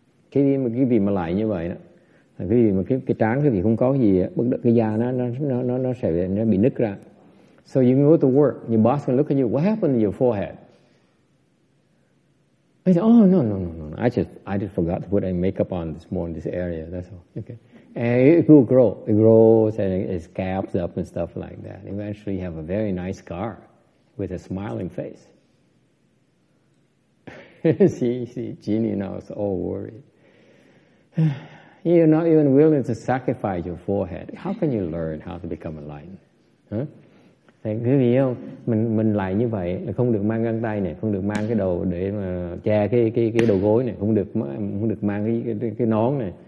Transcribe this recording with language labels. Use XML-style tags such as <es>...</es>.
<vi>Khi mà lại như vậy đó, khi mà cái trán cái gì không có gì, bất đắc cái da nó sẽ nó bị nứt ra.</vi> <en>So you go to work, your boss gonna look at you. What happened to your forehead? I said, oh no. I just forgot to put any makeup on this morning, this area. That's all. Okay. And it will grow. It grows and it scabs up and stuff like that. Eventually, you have a very nice scar. With a smiling face. See, Jeannie now is all worried. You're not even willing to sacrifice your forehead. How can you learn how to become enlightened?</en> <vi>Huh? Thì quý vị không? Mình lại như vậy là không được mang găng tay này, không được mang cái đồ để mà che cái đầu gối này, không được mang cái nón này.</vi>